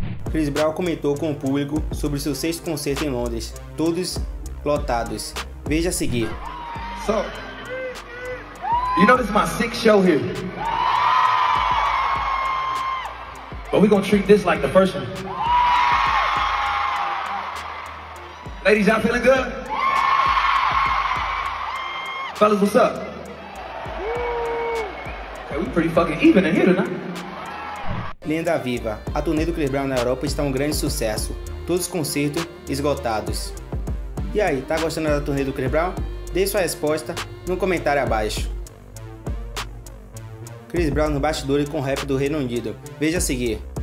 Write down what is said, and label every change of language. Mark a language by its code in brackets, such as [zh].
[pt] Chris Brown comentou com o público sobre seu sexto concerto em Londres, todos lotados. Veja a seguir. [en] So, you know this is my sixth show here. But we gonna treat this like the first one. Ladies, y'all feeling good? Fellas, what's up? Okay, we pretty fucking even in here tonight. [pt] Lenda Viva, a turnê do Chris Brown na Europa está um grande sucesso, todos os concertos esgotados. E aí, tá gostando da turnê do Chris Brown? Deixe sua resposta no comentário abaixo. Chris Brown no bastidor e com o rap do Reino Unido, veja a seguir.